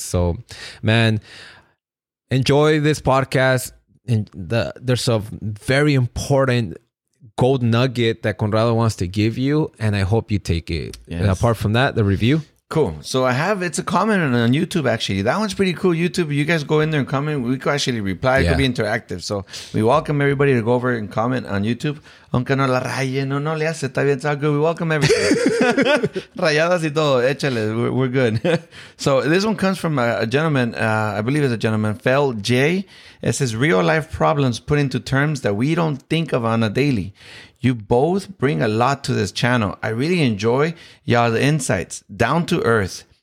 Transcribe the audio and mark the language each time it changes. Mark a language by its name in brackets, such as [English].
[English] So man, enjoy this podcast, and there's a very important gold nugget that Conrado wants to give you, and I hope you take it. Yes. Apart from that, the review. Cool. So it's a comment on YouTube, actually. That one's pretty cool. YouTube, you guys go in there and comment. We could actually reply. Yeah. It could be interactive. So we welcome everybody to go over and comment on YouTube. [Spanish] Aunque no la raye, no le hace, está bien, está [English] good. We welcome everybody. [Spanish] Rayadas y todo, échale, [English] we're good. So this one comes from a gentleman, I believe it's a gentleman, Fel J. It says, real life problems put into terms that we don't think of on a daily. You both bring a lot to this channel. I really enjoy y'all's insights. Down to earth.